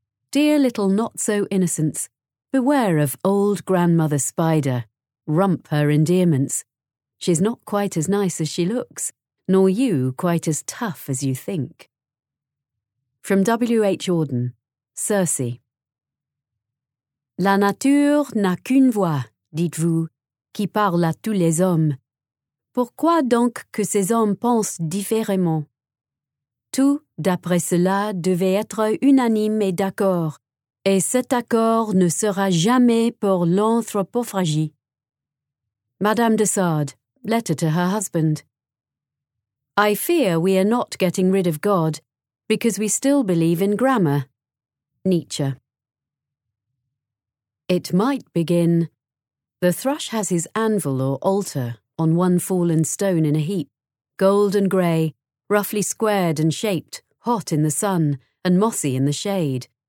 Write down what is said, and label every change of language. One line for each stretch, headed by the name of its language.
English: Dear little not-so-innocents, beware of old grandmother spider, rump her endearments. She's not quite as nice as she looks, nor you quite as tough as you think. From W.H. Auden, Circe.
French: La nature n'a qu'une voix, dites-vous, qui parle à tous les hommes. Pourquoi donc que ces hommes pensent différemment? Tout, d'après cela, devait être unanime et d'accord, et cet accord ne sera jamais pour l'anthropophagie.
English: Madame de Sade, letter to her husband. I fear we are not getting rid of God, because we still believe in grammar. Nietzsche. It might begin, "The thrush has his anvil or altar on one fallen stone in a heap, gold and grey, roughly squared and shaped, hot in the sun and mossy in the shade.